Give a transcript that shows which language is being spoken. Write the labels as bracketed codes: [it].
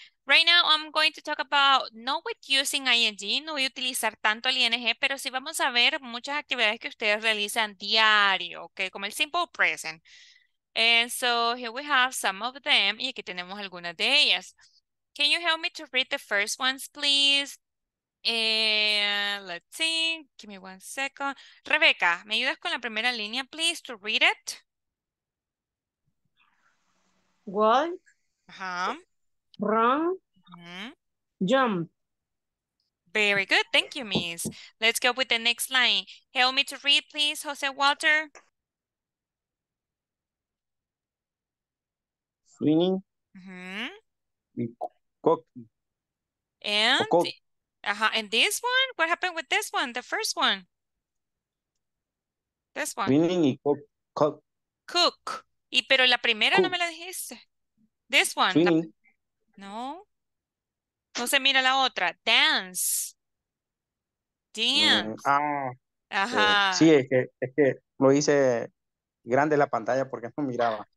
[en] Right now I'm going to talk about not with using ING, [es] no voy a utilizar tanto el ING, pero sí vamos a ver muchas actividades que ustedes realizan diario, okay, como el simple present. [en] And so here we have some of them, [es] y aquí tenemos algunas de ellas. [en] Can you help me to read the first ones, please? Let's see, give me one second. [es] Rebecca, ¿me ayudas con la primera línea, [en] please, to read it? Walk. Uh-huh. Run. Uh-huh. Jump. Very good, thank you, miss. Let's go with the next line. Help me to read, please, Jose Walter. Swimming. Cooking. And? Uh-huh. And this one? What happened with this one? The first one? This one. Swimming and cook. Cook. [es] Y pero la primera cook. No me la dijiste. [en] This one. Swimming. [es] No. No se mira la otra. Dance. Dance. [en] Uh-huh. [es] Sí, es que lo hice grande la pantalla porque no miraba.